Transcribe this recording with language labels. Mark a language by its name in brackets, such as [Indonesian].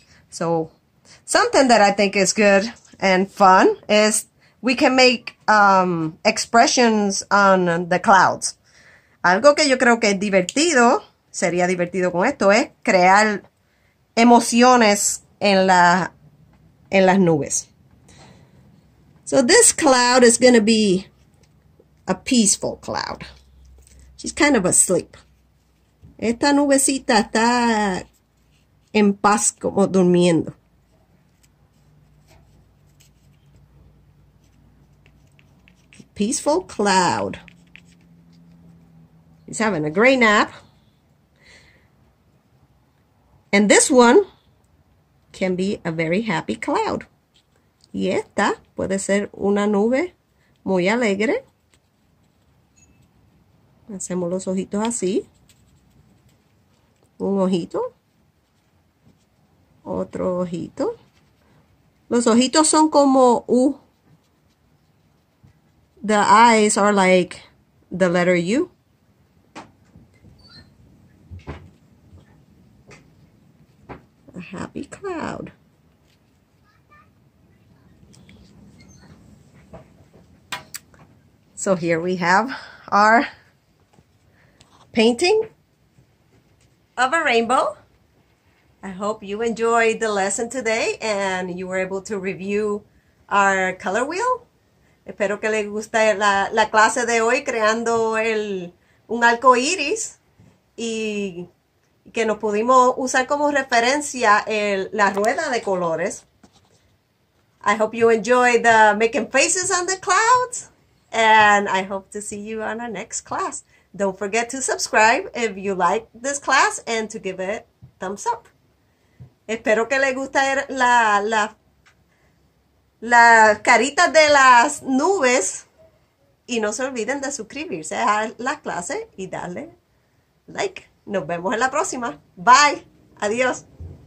[English] So, something that I think is good and fun is we can make expressions on the clouds. [Spanish] Algo que yo creo que es divertido, sería divertido con esto, es crear emociones en las nubes. [English] So, this cloud is going to be a peaceful cloud. She's kind of asleep. [Spanish] Esta nubecita está en paz, como durmiendo. [English] Peaceful cloud. She's having a great nap. And this one can be a very happy cloud. [Spanish] Y esta puede ser una nube muy alegre. Hacemos los ojitos así, un ojito, otro ojito. Los ojitos son como U. [English] The eyes are like the letter U. A happy cloud. So here we have our painting of a rainbow. I hope you enjoyed the lesson today and you were able to review our color wheel. [Spanish] Espero que les guste la clase de hoy creando un arco iris y que nos pudimos usar como referencia la rueda de colores. [English] I hope you enjoyed the making faces on the clouds. And I hope to see you on our next class. Don't forget to subscribe if you like this class and to give it thumbs up. [Spanish] Espero que les guste la carita de las nubes. Y no se olviden de suscribirse a la clase y darle like. Nos vemos en la próxima. Bye. Adiós.